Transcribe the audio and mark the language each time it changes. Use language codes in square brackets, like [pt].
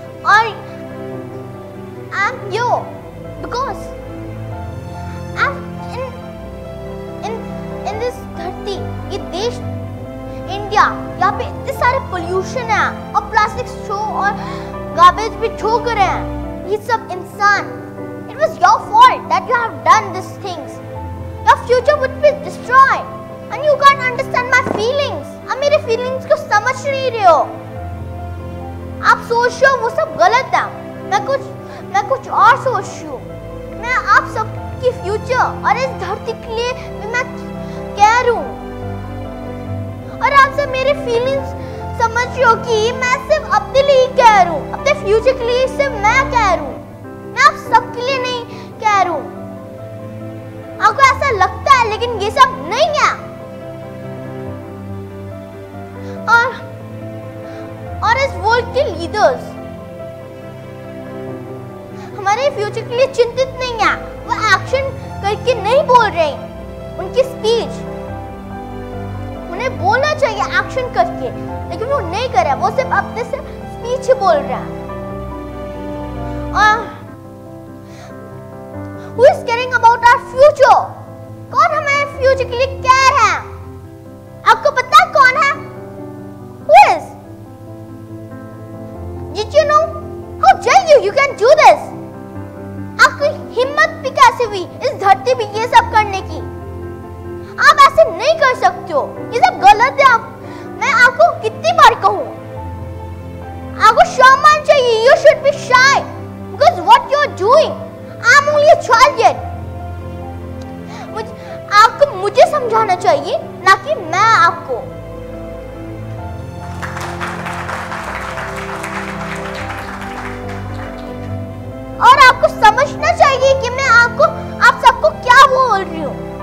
[hi] और [en] I'm here because I'm in this dharti, [hi] ये देश इंडिया, यहाँ पे इतने सारे पोल्यूशन है और प्लास्टिक शो और गार्बेज भी छोक रहे हैं ये सब इंसान। [en] It was your fault that you have done these things. Your future would be destroyed and you can't understand my feelings. [hi] अब मेरे फीलिंग्स को समझ नहीं रहे हो। आप सोच रहे हो वो सब गलत है। मैं कुछ और सोच रही हूँ। मैं आप सबकी फ्यूचर और इस धरती के लिए भी मैं कह रही हूँ। और आप सब मेरे फीलिंग्स समझ रहे हो कि मैं सिर्फ अपने लिए ही कह रही हूँ, अपने फ्यूचर के लिए सिर्फ मैं कह रही हूँ। मैं आप सबके लिए नहीं कह रही हूँ। आपको ऐसा लगता है लेकिन ये सब नहीं है। और इस वर्ल्ड के लीडर्स हमारे फ्यूचर के लिए चिंतित नहीं है। वो एक्शन करके नहीं बोल रहे। उनकी स्पीच उन्हें बोलना चाहिए एक्शन करके, लेकिन वो नहीं कर रहा। वो सिर्फ अपने से स्पीच ही बोल रहा है। [en] Who is caring about our future? [hi] कौन हमारे फ्यूचर के लिए केयर है? आपको पता है कौन है? [en] Who is? Did you know? How dare you? You can do this. [hi] आपकी हिम्मत भी कैसे हुई इस धरती पे ये सब करने की? आप ऐसे नहीं कर सकते हो, ये सब गलत है। आप, मैं आपको कितनी बार कहूँ? आपको शर्म आनी चाहिए। [en] You should be shy because what you are doing, I'm only a child yet. [hi] आपको मुझे समझाना चाहिए ना कि मैं आपको। और आपको समझना चाहिए कि मैं आपको आप सबको क्या बोल रही हूँ।